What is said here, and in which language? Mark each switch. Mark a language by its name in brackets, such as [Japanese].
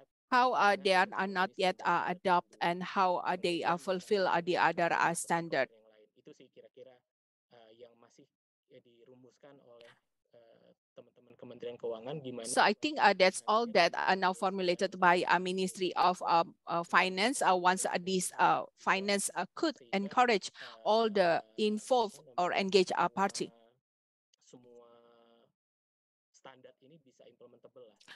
[English] How they are not yet adopt and how they fulfill the other standard. [Indonesian] Itu sih kira-kira yang masih dirumuskan oleh teman-teman Kementerian Keuangan gimana. [English] So I think that's all that now formulated by Ministry of Finance. Once this finance could encourage all the involved or engaged party. [Indonesian] Semua standar ini bisa implementable lah.